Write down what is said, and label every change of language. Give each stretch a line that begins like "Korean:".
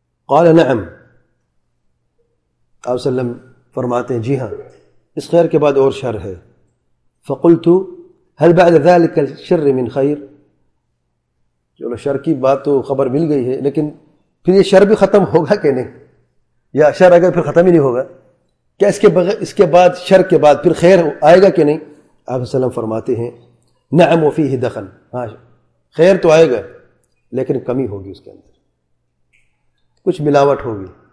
Arabic: قال نعم,
Urdu: آپ صلی اللہ علیہ وسلم فرماتے ہیں جی ہاں اس خیر کے بعد اور شر ہے.
Arabic: فقلت هل بعد ذلك الشر من خیر.
Urdu: چلو شر کی بات تو خبر مل گئی ہے, لیکن پھر یہ شر بھی ختم ہوگا کہ نہیں؟ یا شر اگر پھر ختم ہی نہیں ہوگا, کیا اس کے بعد شر کے بعد پھر خیر آئے گا کہ نہیں؟ آپ وسلم فرماتے ہیں
Arabic: نعم وفیہ دخل,
Urdu: ہاں خیر تو آئے گا لیکن کمی ہوگی, اس کے اندر کچھ ملاوٹ ہوگی.